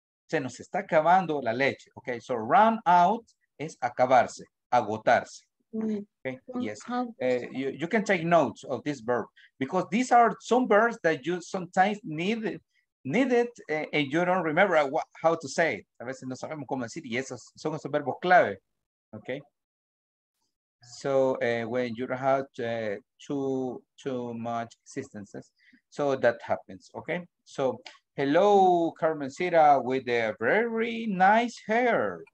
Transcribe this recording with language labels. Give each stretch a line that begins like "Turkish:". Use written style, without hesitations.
Spanish: Se nos está acabando la leche.
English: Okay, so run out
Spanish: es acabarse, agotarse.
English: Okay, yes. You can take notes of this verb because these are some verbs that you sometimes need it and you don't remember how to say it.
Spanish: A veces no sabemos cómo decir y esos son esos verbos clave.
English: Okay. So when you don't have too much existences, so that happens. Okay. So hello, Carmencita, with a very nice hair.